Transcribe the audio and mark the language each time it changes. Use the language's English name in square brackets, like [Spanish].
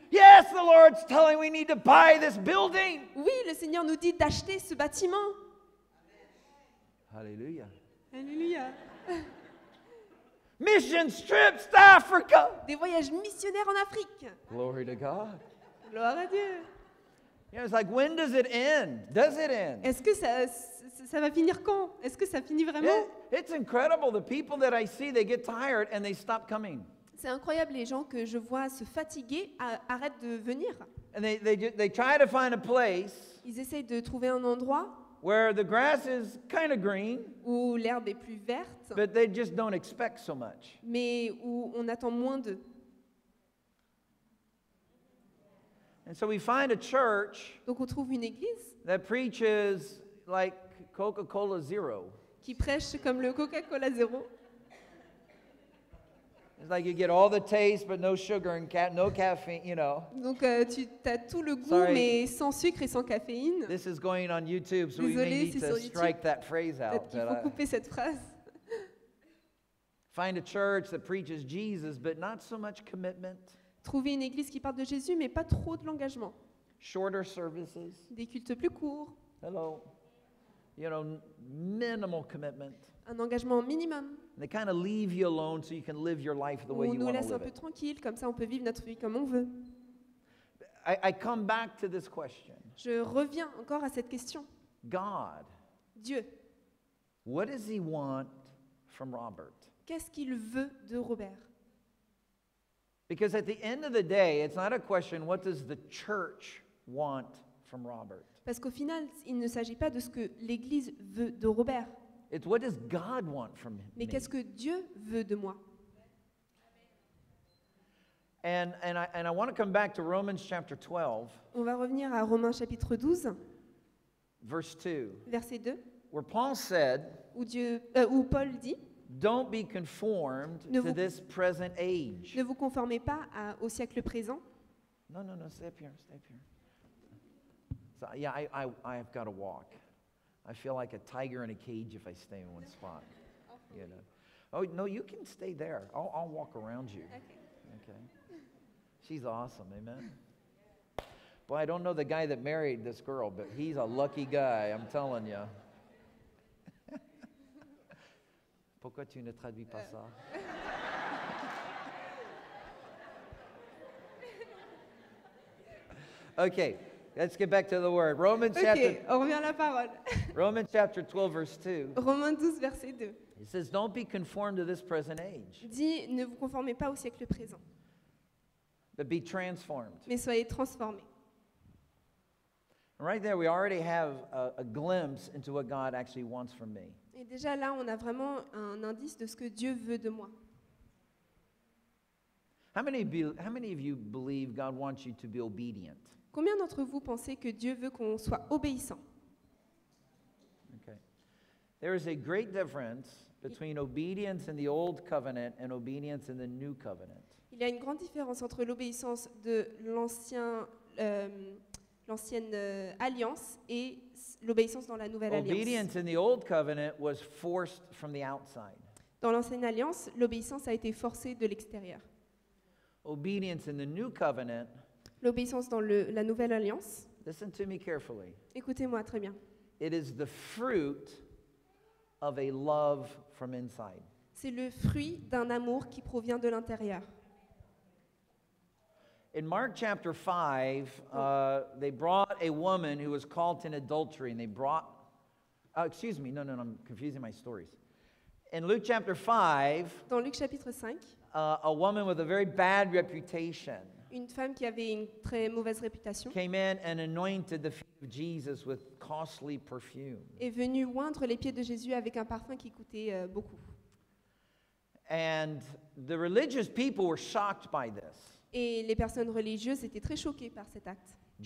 [English] Yes, the Lord's telling we need to buy this building. [French] Oui, le Seigneur nous dit d'acheter ce bâtiment. [English] Hallelujah. [French] Hallelujah. [English] Mission trips to Africa. [French] Des voyages missionnaires en Afrique. [English] Glory to God. [French] Gloire à Dieu. [English] Yeah, it's like, when does it end? Does it end? [French] Est-ce que ça va finir quand? Est-ce que ça finit vraiment? [English] It's incredible. The people that I see, they get tired and they stop coming. [French] C'est incroyable les gens que je vois se fatiguer arrêtent de venir. [English] And they try to find a place. [French] Ils essayent de trouver un endroit. [English] Where the grass is kind of green. [French] Où l'herbe est plus verte. [English] But they just don't expect so much. [French] Mais où on attend moins d'eux. [English] And so we find a church. [French] Donc on trouve une église. [English] That preaches like Coca-Cola Zero. [French] Qui prêche comme le Coca-Cola Zero. [English] It's like you get all the taste but no sugar and no caffeine, you know. [French] Donc tu as tout le goût. [English] Sorry. [French] Mais sans sucre et sans caféine. [English] This is going on YouTube, so [French] désolé, [English] we may need to [French] YouTube. [English] Strike that phrase out. [French] Peut-être qu'il faut couper cette phrase. [English] Find a church that preaches Jesus but not so much commitment. [French] Trouver une église qui parle de Jésus mais pas trop de l'engagement. [English] Shorter services. [French] Des cultes plus courts. [English] Hello. You know, minimal commitment. [French] Un engagement minimum. [English] They kind of leave you alone so you can live your life the way you want to live. [French] On nous laisse un peu tranquille, comme ça on peut vivre notre vie comme on veut. [English] I come back to this question. [French] Je reviens encore à cette question. [English] God. [French] Dieu. [English] What does he want from Robert? [French] Qu'est-ce qu'il veut de Robert? [English] Because at the end of the day, it's not a question what does the church want from Robert? [French] Parce qu'au final, il ne s'agit pas de ce que l'église veut de Robert. [English] It's what does God want from me? [French] Mais qu'est-ce que Dieu veut de moi? [English] And I want to come back to Romans chapter 12. [French] On va revenir à Romains chapitre 12. [English] Verse 2. [French] Verset 2. [English] Where Paul said. [French] Où Paul dit. [English] Don't be conformed to this present age. [French] Ne vous conformez pas au siècle présent. [English] No, stay up here. So yeah, I have got to walk. I feel like a tiger in a cage if I stay in one spot. You know. Oh, no, you can stay there. I'll walk around you. Okay. She's awesome, amen? Boy, I don't know the guy that married this girl, but he's a lucky guy, I'm telling you. [French] Pourquoi tu ne traduis pas ça? [English] Okay. Let's get back to the word. Romans chapter. [French] Okay, on revient à la parole. [English] Romans chapter 12, verse 2. [French] Romains 12, verset 2. [English] It says, "Don't be conformed to this present age." [French] Dit, ne vous conformez pas au siècle présent. [English] But be transformed. [French] Mais soyez transformés. [English] Right there, we already have a glimpse into what God actually wants from me. [French] Et déjà là, on a vraiment un indice de ce que Dieu veut de moi. [English] How many of you believe God wants you to be obedient? [French] Combien d'entre vous pensez que Dieu veut qu'on soit obéissant? [English] Okay. There is a great difference between obedience in the old covenant and obedience in the new covenant. [French] Il y a une grande différence entre l'obéissance de l'ancienne alliance et l'obéissance dans la nouvelle alliance. [English] Obedience in the old covenant was forced from the outside. [French] Dans l'ancienne alliance, l'obéissance a été forcée de l'extérieur. [English] Obedience in the new covenant. [French] L'obéissance dans la nouvelle alliance. [English] Listen to me carefully. [French] Écoutez-moi très bien. [English] It is the fruit of a love from inside. [French] C'est le fruit d'un amour qui provient de l'intérieur. [English] In Mark chapter 5, they brought a woman who was caught in adultery, and they brought. Excuse me. No. I'm confusing my stories. In Luke chapter 5. [French] Dans Luc chapitre 5. [English] A woman with a very bad reputation. [French] Une femme qui avait une très mauvaise réputation. [English] Came in and anointed the feet of Jesus with costly perfume. [French] Est venue oindre les pieds de Jésus avec un parfum qui coûtait beaucoup. [English] And the religious people were shocked by this. [French] Et les personnes religieuses étaient très choquées par cet acte.